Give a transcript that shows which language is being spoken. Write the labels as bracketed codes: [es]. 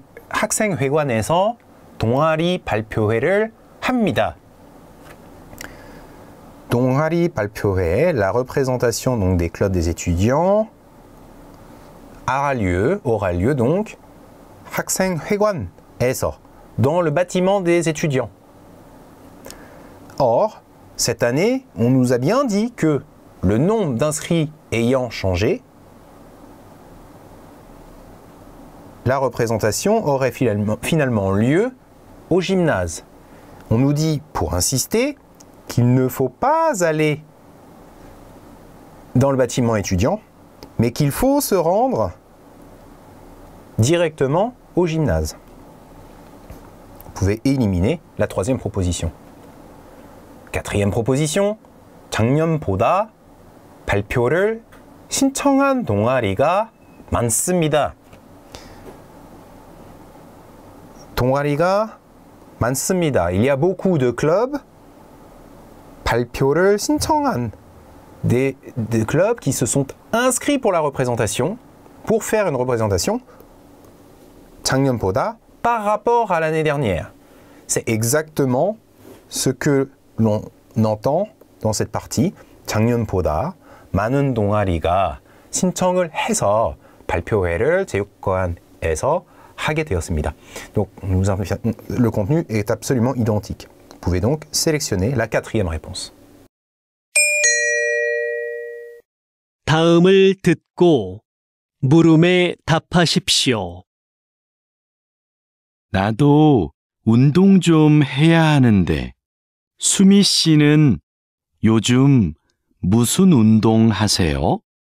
[ko] 학생회관에서 동아리 발표회를 합니다. 동아리 발표회, [fr] la représentation donc des clubs des étudiants, aura lieu donc [ko] 학생회관에서, [fr] dans le bâtiment des étudiants. Or, cette année, on nous a bien dit que le nombre d'inscrits ayant changé, la représentation aurait finalement lieu au gymnase. On nous dit, pour insister, qu'il ne faut pas aller dans le bâtiment étudiant, mais qu'il faut se rendre directement au gymnase. Vous pouvez éliminer la troisième proposition. Quatrième proposition. [ko] 작년보다 발표를 신청한 동아리가 많습니다. 동아리가 많습니다. [fr] Il y a beaucoup de clubs [ko] 발표를 신청한 [fr] des clubs qui se sont inscrits pour la représentation, pour faire une représentation [ko] 작년보다 [fr] par rapport à l'année dernière. C'est exactement ce que l'on entend dans cette partie. [ko] 작년보다 많은 동아리가 신청을 해서 발표회를 체육관에서 하게 되었습니다. [fr] Donc, nous, le contenu est absolument identique. Vous pouvez donc sélectionner la quatrième réponse. [ko] 다음을 듣고 물음에 답하십시오. 나도 운동 좀 해야 하는데 수미 씨는 요즘 무슨 운동 하세요?